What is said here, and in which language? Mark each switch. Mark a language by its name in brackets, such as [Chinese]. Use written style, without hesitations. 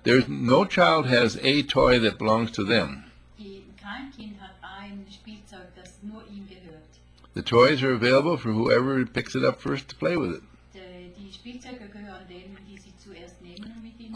[English] There's no child has a toy that belongs to them. [German] Kein Kind hat ein Spielzeug, das nur ihm gehört. [English] The toys are available for whoever picks it up first to play with it. [German] Die Spielzeuge gehören denen, die sie zuerst nehmen und mit ihnen.